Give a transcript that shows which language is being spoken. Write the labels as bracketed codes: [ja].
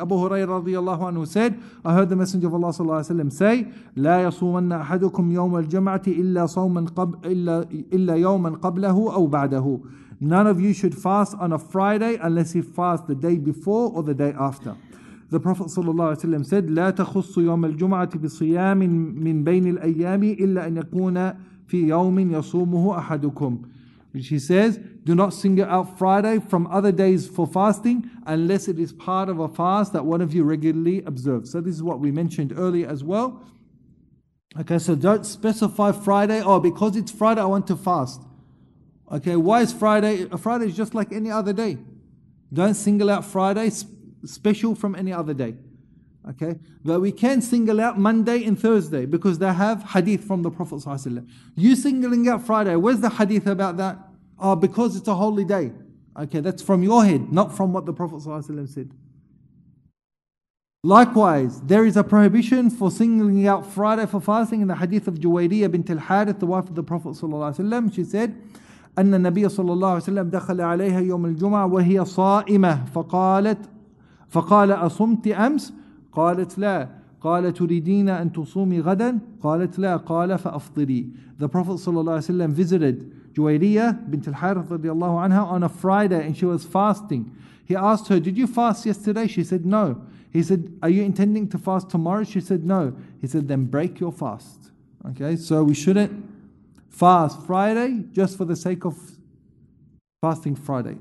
[en] Abu Hurairah radiallahu anhu said, I heard the Messenger of Allah sallallahu alayhi wa sallam say, [ar] لَا يَصُومَنَّ أَحَدُكُمْ يَوْمَ الْجَمْعَةِ إِلَّا صَوْمًا إِلَّا يَوْمًا قَبْلَهُ أَوْ بَعْدَهُ. [en] None of you should fast on a Friday unless he fasts the day before or the day after. The Prophet sallallahu alayhi wa sallam said, [ar] لَا تَخُصُّ يَوْمَ الْجُمْعَةِ بِصِيَامٍ مِّن بَيْنِ الْأَيَّامِ إِلَّا أَنْ يَكُونَ فِي يَوْمٍ يَصُومُهُ أَحَدُكُمْ. [en] Which he says, do not single out Friday from other days for fasting unless it is part of a fast that one of you regularly observes. So this is what we mentioned earlier as well. Okay, so don't specify Friday, oh, because it's Friday, I want to fast. Okay, why is Friday? Friday is just like any other day. Don't single out Friday special from any other day. Okay, but we can single out Monday and Thursday because they have hadith from the Prophet ﷺ. You singling out Friday, where's the hadith about that? Oh, because it's a holy day. Okay, that's from your head, not from what the Prophet ﷺ said. Likewise, there is a prohibition for singling out Friday for fasting in the hadith of Juwayriyah bint al-Harith, the wife of the Prophet ﷺ. She said, [ar] أن النبي صلى الله عليه وسلم دخل عليها يوم الجمعة وهي صائمة فقال أصمت أمس؟ قالت لا. قال تريدين أن تصومي غدا؟ قالت لا. قال فأفطري. [en] The Prophet ﷺ visited Juwayriyah bint al-Harith radiallahu anha on a Friday and she was fasting. He asked her, did you fast yesterday? She said, no. He said, are you intending to fast tomorrow? She said, no. He said, then break your fast. Okay, so we shouldn't fast Friday just for the sake of fasting Friday.